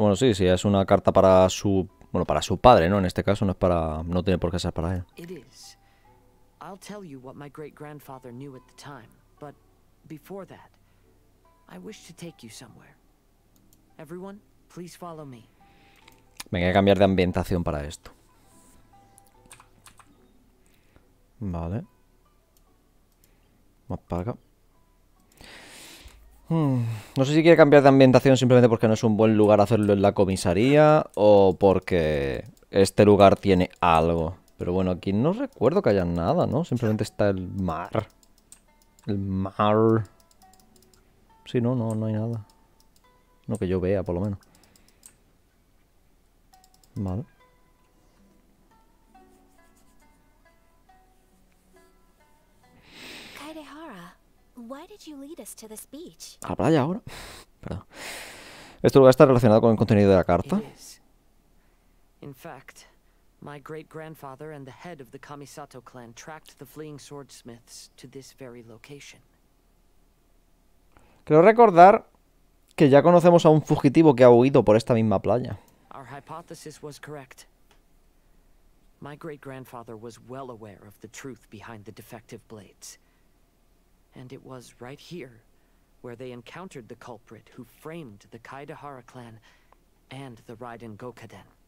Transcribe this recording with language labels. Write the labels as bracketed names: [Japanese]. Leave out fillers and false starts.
[Spanish] Bueno, sí, es una carta para su, bueno, para su padre, ¿no? En este caso no es para, no tiene por qué ser para él. [English] It is. I'll tell you what my great grandfather knew at the time, but before that, I wish to take you somewhere. Everyone, please follow me. [Spanish] Me voy a cambiar de ambientación para esto. Vale. Más para acá. No sé si quiere cambiar de ambientación simplemente porque no es un buen lugar hacerlo en la comisaría o porque este lugar tiene algo. Pero bueno, aquí no recuerdo que haya nada, ¿no? Simplemente está el mar. El mar. Sí, no, no, no hay nada. No que yo vea, por lo menos. Vale. [English] Kaidehara, why did you lead us to this beach? [Spanish] A la playa ahora. Perdón. Esto lugar está relacionado con el contenido de la carta. [English] In fact, my great grandfather and the head of the Kamisato clan tracked the fleeing swordsmiths to this very location. [Spanish] Creo recordar que ya conocemos a un fugitivo que ha huido por esta misma playa. [English] Our hypothesis was correct. My great grandfather was well aware of the truth behind the defective blades. And it was right here where they encountered the culprit who framed the Kaidehara clan and the Raiden Gokaden.